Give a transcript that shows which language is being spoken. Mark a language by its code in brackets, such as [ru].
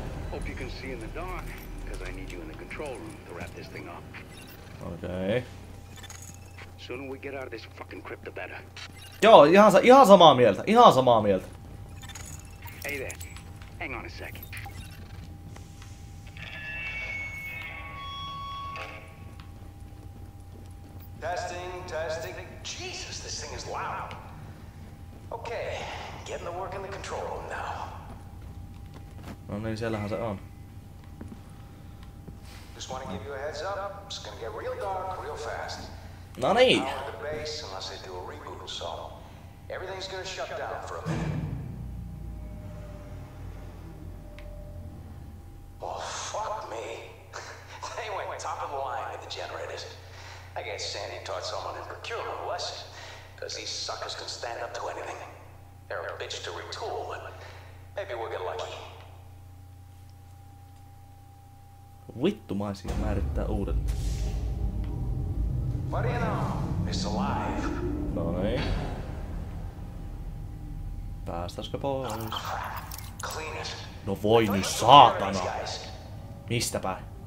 [en] Hope you can see in the dark, because I need you in the control room to wrap this thing up. Okay. Sooner we get out of this fucking crypt, the better. [fi] Joo, ihan samaa mieltä, ihan samaa mieltä. [en] Hey there, hang on a second. Testing. Jesus, this thing is loud. Okay, getting the work in the control room now. [fi] No niin, siellähän se on. [en] Just want to give you a heads up. It's gonna get real dark real fast. [fi] No niin. [en] Power the base unless they do a reboot or so. Everything's gonna shut down for a minute. Oh, fuck me. They went top of the line with the generators. I guess Sandy taught someone in procurement a lesson. Because these suckers can stand up to anything. They're a bitch to retool, but maybe we'll get lucky. [fi] Vittumaisia määrittää uudet. [en] What do you know? It's alive. [fi] No niin. Päästäskö pois? [en] Clean it. [fi] No voi nyt saatana! Mistäpä?